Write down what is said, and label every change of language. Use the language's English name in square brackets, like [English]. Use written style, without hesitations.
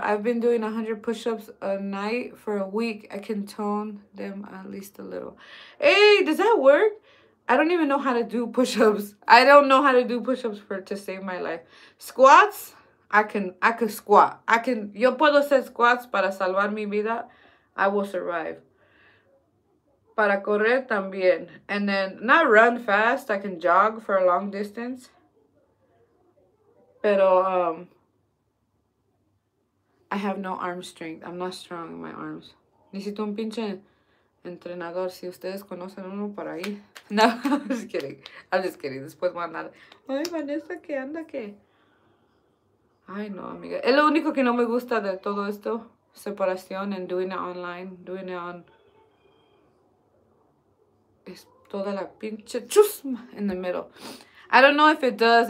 [English] I've been doing 100 push-ups a night for a week. I can tone them at least a little. Hey, does that work? I don't even know how to do push-ups. I don't know how to do push-ups for to save my life. Squats? I can squat. I can. [Spanish] Yo puedo hacer squats para salvar mi vida. [English] I will survive. [Spanish] Para correr también. [English] And then, not run fast. I can jog for a long distance. Pero, I have no arm strength. I'm not strong in my arms. [Spanish] Necesito un pinche entrenador. Si ustedes conocen uno por ahí. No, [English] I'm just kidding. [Spanish] Después voy a andar. Ay, Vanessa, ¿qué anda qué? Ay, no, amiga. Es lo único que no me gusta de todo esto. [English] Separación and doing it online. Doing it on... [Spanish] Es toda la pinche chusma [English] in the middle. I don't know if it does.